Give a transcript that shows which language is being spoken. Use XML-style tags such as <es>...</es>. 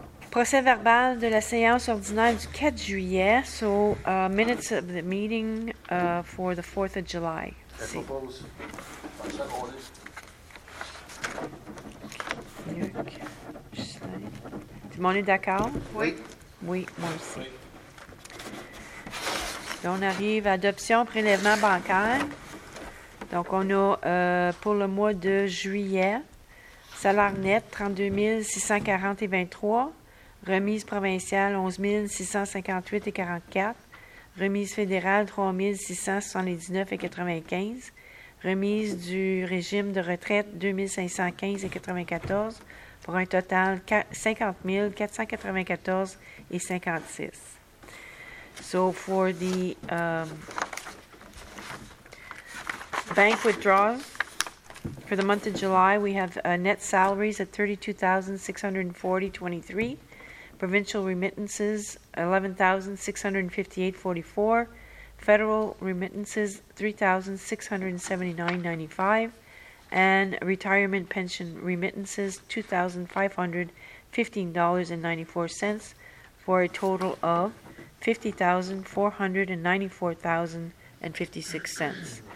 <fr>Procès verbal de la séance ordinaire du 4 juillet.</fr> <en>So, minutes of the meeting for the 4th of July.</en> <fr>Je propose. Luc, Justin. Tout le monde est d'accord? Oui. Oui, moi aussi. Là, on arrive à adoption prélèvement bancaire. Donc, on a pour le mois de juillet, salaire net 32 640 $23, remise provinciale 11 658 $44, remise fédérale 3 679 $95, remise du régime de retraite 2 515 $94, pour un total 50 494 $56.</fr> <en>So for the bank withdrawal for the month of July, we have net salaries at $32,640.23, provincial remittances $11,658.44, federal remittances $3,679.95, and retirement pension remittances $2,515.94, for a total of $50,494.56.</en>